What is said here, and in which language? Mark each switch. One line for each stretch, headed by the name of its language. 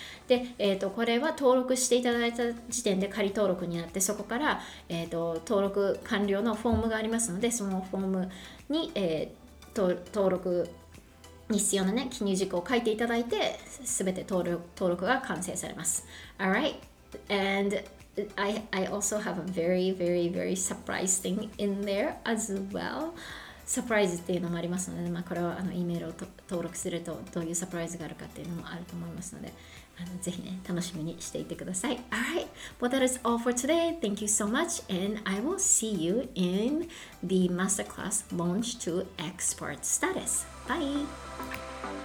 Japanese: で、これは登録していただいた時点で仮登録になって、そこから、登録完了のフォームがありますので、そのフォームに、登録に必要な、ね、記入事項を書いていただいて、すべて登録が完成されます。
English: Alright, and I also have a very, very, very surprise thing in there as well.
Japanese: サプライズっていうのもありますので、まあ、これはEメールを登録するとどういうサプライズがあるかっていうのもあると思いますので、ぜひね、楽しみにしていてください。
English: Alright, well that is all for today. Thank you so much, and I will see you in the Masterclass Launch to Expert Status. Bye!